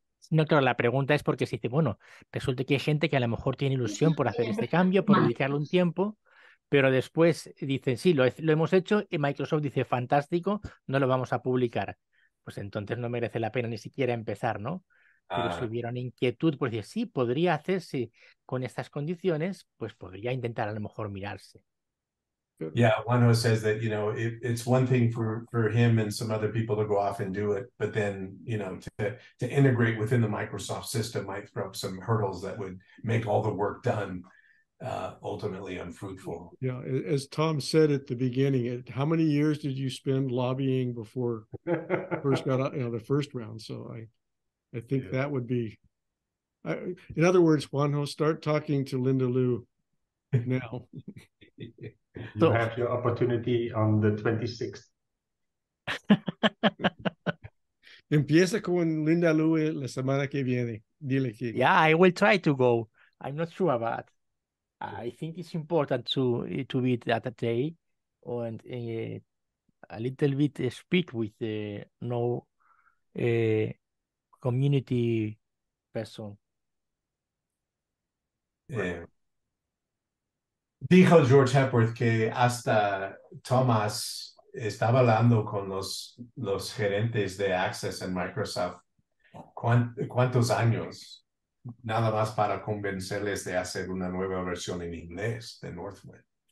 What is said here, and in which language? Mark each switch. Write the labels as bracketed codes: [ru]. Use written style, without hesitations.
[es] No, claro, la pregunta es porque se dice, bueno, resulta que hay gente que a lo mejor tiene ilusión por hacer este cambio, por dedicarle un tiempo, pero después dicen, sí, lo hemos hecho, y Microsoft dice, fantástico, no lo vamos a publicar. Pues entonces no merece la pena ni siquiera empezar, ¿no? Pero si hubiera una inquietud, pues decir, sí, podría hacerse con estas condiciones, pues podría intentar a lo mejor mirarse. [en] Yeah, one who says that, you know, it's one thing for him and some other people to go off and do it, but then, you know, to integrate within the Microsoft system might throw up some hurdles that would make all the work done ultimately unfruitful. Yeah, as Tom said at the beginning, how many years did you spend lobbying before first got out, you know, the first round? So I think that would be, in other words, Juanjo, start talking to Linda Liu now. You have your opportunity on the 26th. [es] Empieza con Linda Liu la semana que viene. Dile que... [en] Yeah, I will try to go. I'm not sure about. I think it's important to be that day and a little bit speak with the community person. [es] Dijo George Hepworth que hasta Thomas estaba hablando con los gerentes de Access en Microsoft. ¿Cuántos años? Nada más para convencerles de hacer una nueva versión en inglés de Northwind.